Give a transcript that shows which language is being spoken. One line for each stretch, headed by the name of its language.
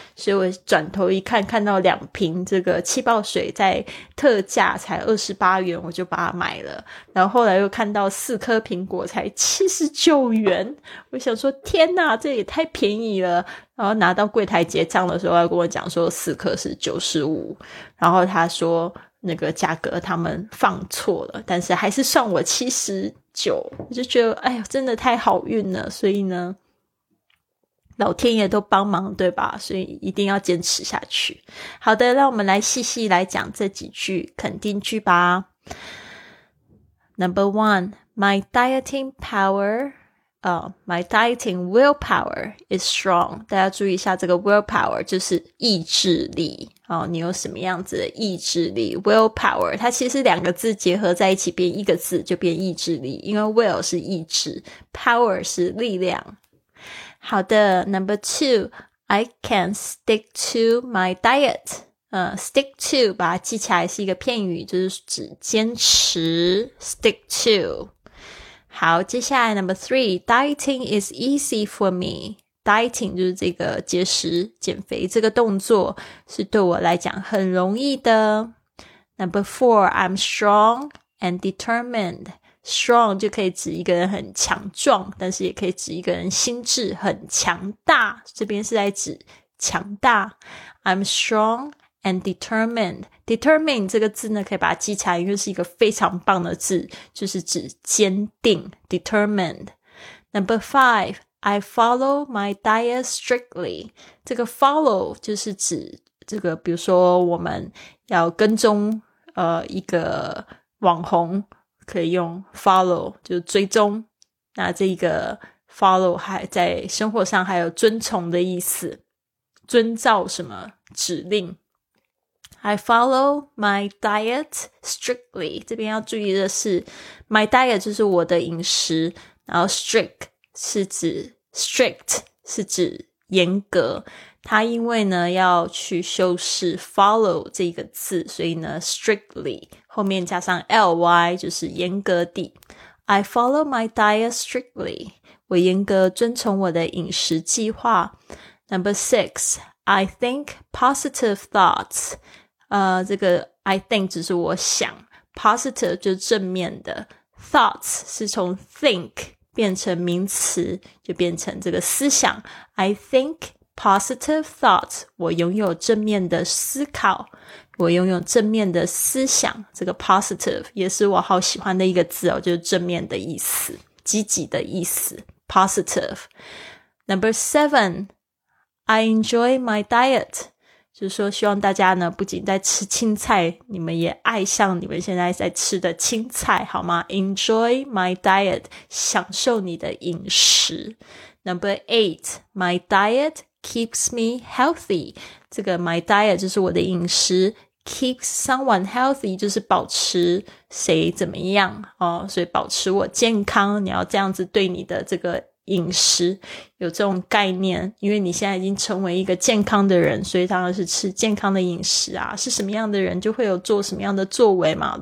Chinese: 所以我转头一看，看到两瓶这个气泡水在特价才28元，我就把它买了，然后后来又看到4颗苹果才79元，我想说天哪，这也太便宜了，然后拿到柜台结账的时候要跟我讲说4颗是95，然后他说那个价格他们放错了，但是还是算我79，我就觉得哎呦真的太好运了，所以呢老天爷都帮忙对吧，所以一定要坚持下去。好的，让我们来细细来讲这几句肯定句吧。
English: Number one, my dieting power my dieting willpower is strong.
Chinese: 大家注意一下这个 willpower 就是意志力哦，你有什么样子的意志力 willpower， 它其实两个字结合在一起变一个字就变意志力，因为 will 是意志， power 是力量。
English: 好的， number two, I can stick to my diet.
Chinese: Stick to 把它记起来是一个片语，就是指坚持， stick to。
English: 好，接下来 number three, dieting is easy for me.
Chinese: Dieting 就是这个节食减肥这个动作是对我来讲很容易的。
English: Number four, I'm strong and determined.
Chinese: Strong 就可以指一个人很强壮，但是也可以指一个人心智很强大，这边是在指强大。
English: I'm strong and determined.
Chinese: Determined 这个字呢可以把它记起来，因为是一个非常棒的字，就是指坚定， determined.
English: Number five,I follow my diet strictly.
Chinese: 这个 follow 就是指这个，比如说我们要跟踪一个网红，可以用 follow 就是追踪。那这个 follow 还在生活上还有遵从的意思，遵照什么指令。
English: I follow my diet strictly.
Chinese: 这边要注意的是 ，my diet 就是我的饮食，然后 strict。是指 strict 是指严格，他因为呢要去修饰 follow 这个字，所以呢 strictly 后面加上 ly 就是严格地。
English: I follow my diet strictly,
Chinese: 我严格遵从我的饮食计划。
English: Number six, I think positive thoughts,
Chinese: 这个 I think 只是我想， positive 就是正面的， thoughts 是从 think变成名词，就变成这个思想。
English: I think positive thoughts,
Chinese: 我拥有正面的思考，我拥有正面的思想。这个 positive 也是我好喜欢的一个字哦，就是正面的意思，积极的意思， positive.
English: Number seven, I enjoy my diet.
Chinese: 就是说希望大家呢不仅在吃青菜，你们也爱上你们现在在吃的青菜好吗？
English: Enjoy my diet,
Chinese: 享受你的饮食。
English: Number eight, my diet keeps me healthy.
Chinese: 这个 my diet 就是我的饮食，
English: keep someone healthy
Chinese: 就是保持谁怎么样哦，所以保持我健康，你要这样子对你的这个饮食有这种概念，因为你现在已经成为一个健康的人，所以当然是吃健康的饮食啊，是什么样的人就会有做什么样的作为嘛。